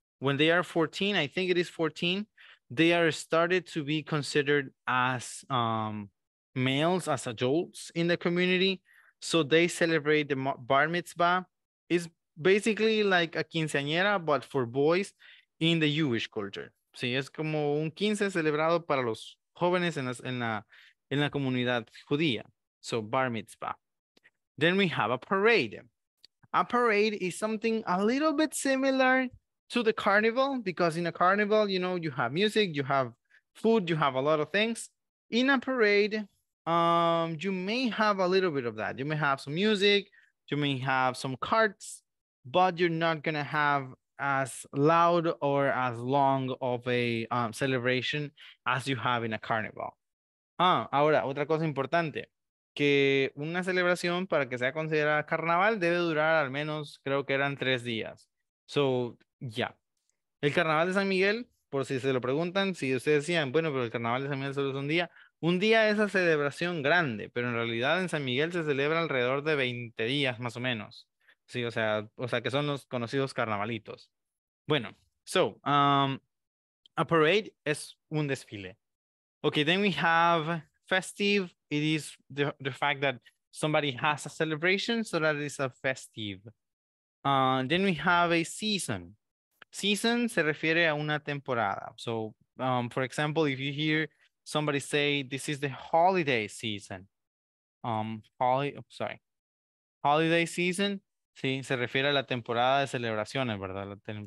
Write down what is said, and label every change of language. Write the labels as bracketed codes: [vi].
[en] When they are 14, I think it is 14, they are started to be considered as males, as adults in the community. So they celebrate the bar mitzvah. It's basically like a quinceañera, but for boys in the Jewish culture. [es] Sí, es como un quince celebrado para los jóvenes en la comunidad judía. [en] So bar mitzvah. Then we have a parade. A parade is something a little bit similar to the carnival, because in a carnival, you know, you have music, you have food, you have a lot of things. In a parade, you may have a little bit of that. You may have some music, you may have some carts, but you're not gonna have as loud or as long of a celebration as you have in a carnival. [es] Ahora, otra cosa importante. Que una celebración para que sea considerada carnaval debe durar al menos, creo que eran 3 días. [en] So, yeah. [es] El carnaval de San Miguel, por si se lo preguntan, si ustedes decían, bueno, pero el carnaval de San Miguel solo es un día es la celebración grande, pero en realidad en San Miguel se celebra alrededor de 20 días, más o menos. Sí, o sea que son los conocidos carnavalitos. Bueno, so, a parade es un desfile. [en] Okay, then we have festive. It is the fact that somebody has a celebration, so that is a festive. Then we have a season. Season [es] se refiere a una temporada. [en] So, for example, if you hear somebody say, this is the holiday season. [es] Holiday season, sí, se refiere a la temporada de celebraciones, ¿verdad?